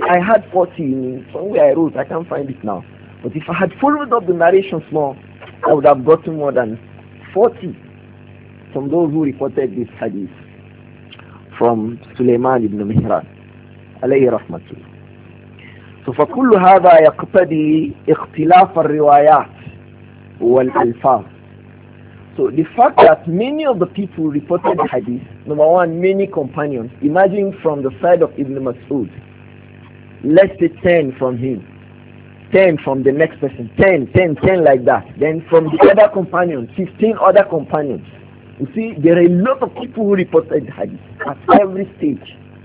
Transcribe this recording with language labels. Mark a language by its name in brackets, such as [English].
[English] I had 40 in somewhere I wrote, I can't find it now. But if I had followed up the narrations more, I would have gotten more than 40 from those who reported this hadith from Sulaiman ibn Mihran alayhi rahmatullah. So for [Arabic] كل هذا يقتضي اختلاف الروايات والألفاظ. [English] So the fact that many of the people reported the hadith, number one, many companions, imagine from the side of Ibn Mas'ud, let's say 10 from him, 10 from the next person, 10, 10, 10 like that. Then from the other companions, 15 other companions. You see, there are a lot of people who reported the hadith at every stage.